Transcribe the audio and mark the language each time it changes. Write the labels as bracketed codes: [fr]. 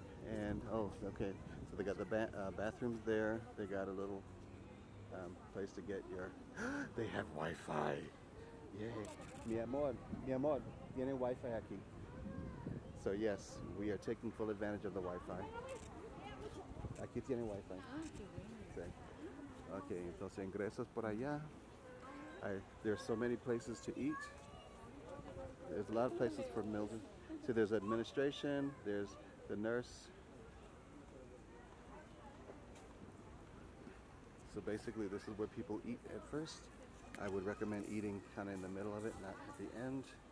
[en] And, oh, okay, so they got the bathrooms there. They got a little place to get your, they have Wi-Fi. Yay. [es] Mi amor, tiene Wi-Fi aquí. [en] So yes, we are taking full advantage of the Wi-Fi. [es] Aquí tiene Wi-Fi. [en] Okay. [es] Okay, entonces ingresas por allá. [en] There are so many places to eat. There's a lot of places for meals. See, there's administration, there's the nurse. So basically, this is where people eat at first. I would recommend eating kind of in the middle of it, not at the end.